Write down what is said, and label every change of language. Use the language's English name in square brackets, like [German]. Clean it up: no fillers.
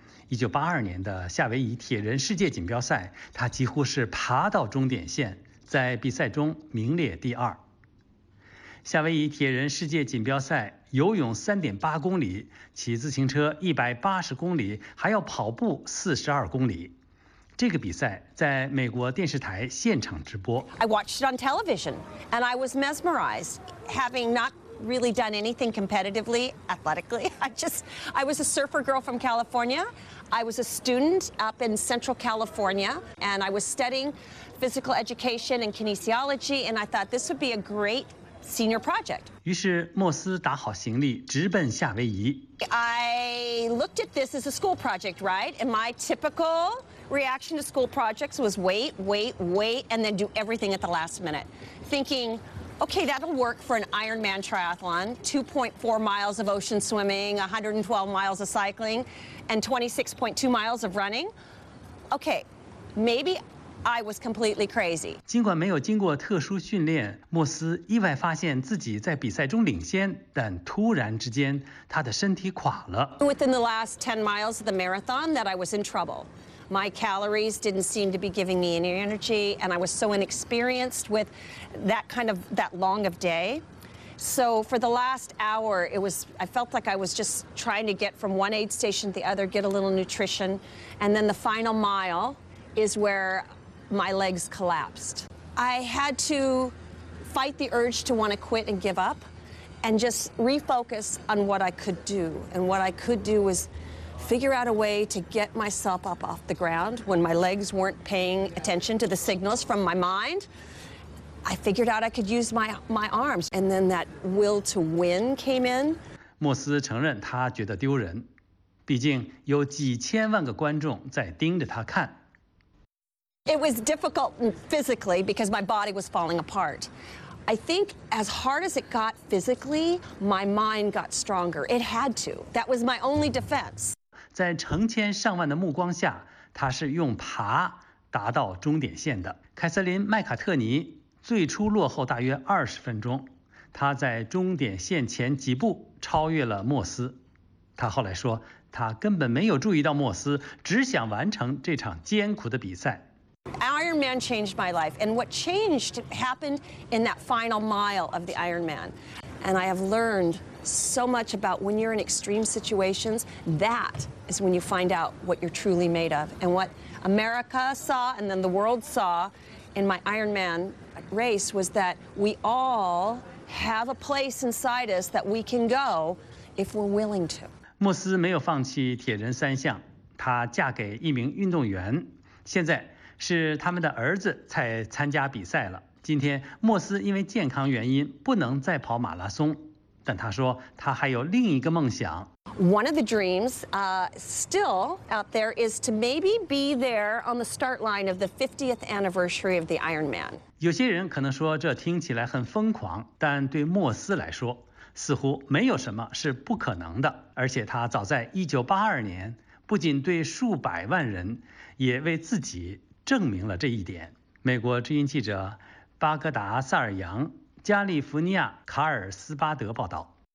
[Chinese] 1982年的夏威夷铁人世界锦标赛，他几乎是爬到终点线，在比赛中名列第二。夏威夷铁人世界锦标赛游泳3.8公里，骑自行车180公里，还要跑步42公里。这个比赛在美国电视台现场直播。 [English] I watched it on television, and I was mesmerized, having not really done anything competitively, athletically. I was a surfer girl from California. I was a student up in Central California, and I was studying physical education and kinesiology, and I thought this would be a great senior project. [Chinese] 于是莫斯打好行李，直奔夏威夷。 [English] I looked at this as a school project, right? And my typical reaction to school projects was wait, wait, wait, and then do everything at the last minute, thinking, okay, that'll work for an Ironman triathlon, 2.4 miles of ocean swimming, 112 miles of cycling, and 26.2 miles of running. Okay, maybe I was completely crazy. [Chinese] 尽管没有经过特殊训练，莫斯意外发现自己在比赛中领先，但突然之间，他的身体垮了。 [English] Within the last 10 miles of the marathon that I was in trouble. My calories didn't seem to be giving me any energy, and I was so inexperienced with that kind of that long of day. So for the last hour, I felt like I was just trying to get from one aid station to the other, get a little nutrition. And then the final mile is where my legs collapsed. I had to fight the urge to want to quit and give up and just refocus on what I could do. And what I could do wasfigure out a way to get myself up off the ground when my legs weren't paying attention to the signals from my mind. I figured out I could use my arms. And then that will to win came in. [Chinese] 莫斯承认他觉得丢人，毕竟有几千万个观众在盯着他看。 [English] It was difficult physically because my body was falling apart. I think as hard as it got physically, my mind got stronger. It had to. That was my only defense. [Chinese] 在成千上万的目光下，他是用爬达到终点线的。凯瑟琳·麦卡特尼最初落后大约20分钟，他在终点线前几步超越了莫斯。他后来说，他根本没有注意到莫斯，只想完成这场艰苦的比赛。 [English] Ironman changed my life, and what changed happened in that final mile of the Ironman. And I have learned so much about when you're in extreme situations, that is when you find out what you're truly made of. And what America saw and then the world saw in my Ironman race was that we all have a place inside us that we can go if we're willing to. [Chinese] 莫斯没有放弃铁人三项，她嫁给一名运动员，现在是他们的儿子才参加比赛了。今天莫斯因为健康原因不能再跑马拉松，但他说他还有另一个梦想。 [English] One of the dreams, still out there is to maybe be there on the start line of the 50th anniversary of the Ironman. [Chinese] 有些人可能说这听起来很疯狂，但对莫斯来说，似乎没有什么是不可能的。而且他早在1982年，不仅对数百万人，也为自己证明了这一点。美国之音记者巴格达·萨尔扬、加利福尼亚卡尔斯巴德报道。